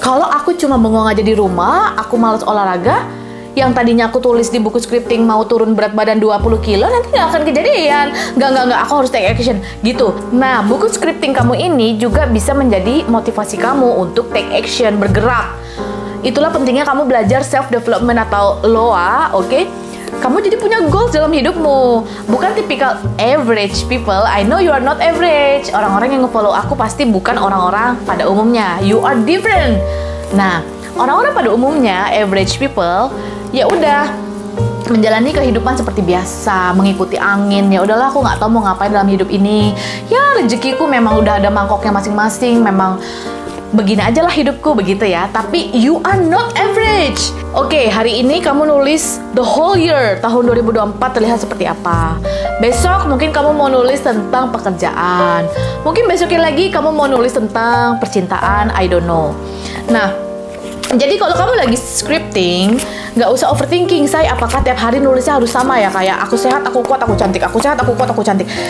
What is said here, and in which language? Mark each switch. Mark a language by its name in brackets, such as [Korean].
[Indonesian] Kalau aku cuma bengong aja di rumah, aku malas olahraga, yang tadinya aku tulis di buku scripting mau turun berat badan 20 kilo nanti gak akan kejadian. Enggak, aku harus take action gitu. Nah, buku scripting kamu ini juga bisa menjadi motivasi kamu untuk take action, bergerak. Itulah pentingnya kamu belajar self-development atau LOA, oke? Kamu jadi punya goals dalam hidupmu. Bukan [English] typical average people. I know you are not average. [Indonesian] Orang-orang yang nge-follow aku pasti bukan orang-orang pada umumnya. [English] You are different. [Indonesian] Nah, orang-orang pada umumnya, average people, ya udah menjalani kehidupan seperti biasa, mengikuti angin. Ya udahlah, aku gak tahu mau ngapain dalam hidup ini. Ya, rezekiku memang udah ada mangkoknya masing-masing. Memang begini aja lah hidupku begitu ya. Tapi [English] you are not average. [Indonesian] Oke, hari ini kamu nulis [English] the whole year [Indonesian] tahun 2024 terlihat seperti apa. Besok mungkin kamu mau nulis tentang pekerjaan. Mungkin besoknya lagi kamu mau nulis tentang percintaan, [English] I don't know. [Indonesian] Nah, jadi kalau kamu lagi scripting, gak usah overthinking, say, apakah tiap hari nulisnya harus sama ya, kayak aku sehat, aku kuat, aku cantik, aku sehat, aku kuat, aku cantik.